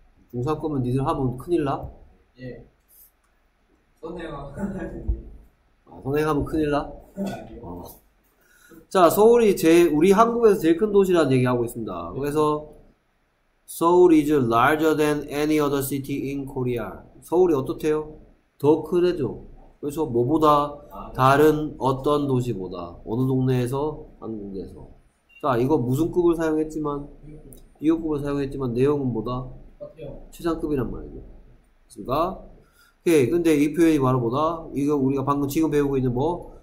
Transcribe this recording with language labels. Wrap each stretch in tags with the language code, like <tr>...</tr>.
<ko>중사권은 니들 하면 큰일 나? 예. 선생님. 아, 선생님 하면 큰일 나? 아니요. 자, 서울이 우리 한국에서 제일 큰 도시라는 얘기하고 있습니다. 그래서,</ko> <en>Seoul is larger than any other city in Korea.</en> <ko>서울이 어떻대요? 더큰 애죠. 그래서, 뭐보다 다른 어떤 도시보다, 어느 동네에서, 한국에서. 자, 이거 무슨 급을 사용했지만, 비교급을 사용했지만, 내용은 뭐다? 최상급이란 말이죠. 그니까, 오케이. 근데 이 표현이 바로 뭐다? 이거 우리가 방금 지금 배우고 있는 뭐?</ko>